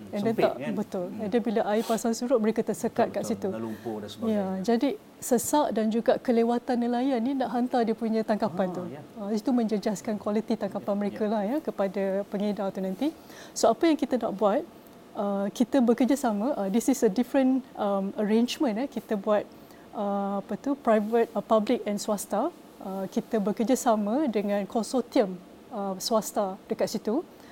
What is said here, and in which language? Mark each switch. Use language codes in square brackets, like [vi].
[en] and sempit, then [ms] betul. [en] And then [ms] bila air pasang surut, mereka tersekat kat situ. Lumpur dan sebagainya. Ya, jadi sesak dan juga kelewatan nelayan ni nak hantar dia punya tangkapan tu. Itu menjejaskan kualiti tangkapan mereka lah ya, kepada pengedar tu nanti. So apa yang kita nak buat? Kita bekerjasama. [en] This is a different arrangement. [ms] Kita buat apa tu? Private, public and swasta. Kita bekerjasama dengan konsortium swasta dekat situ.